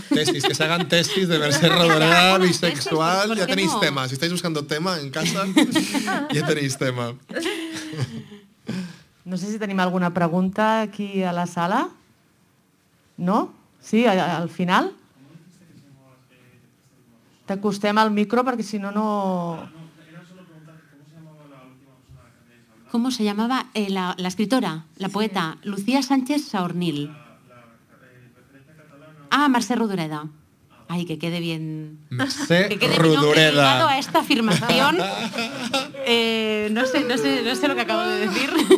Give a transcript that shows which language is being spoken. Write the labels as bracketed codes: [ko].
[es] Tesis, que se hagan tesis de Mercè Rodoreda bisexual. Ya tenéis tema. Si estáis buscando tema en casa, ya tenéis tema. No sé si tenéis alguna pregunta aquí a la sala. ¿No? Sí, al final. [ca] T'acostem al micro perquè si no, no... [es] ¿Cómo se llamaba la escritora, la poeta? Sí. Lucía Sánchez Saornil. La catalana... Ah, Mercè Rodoreda. Ay, que quede bien. Mercè que quede Rodoreda. Bien, ligado a esta afirmación. No sé lo que acabo de decir.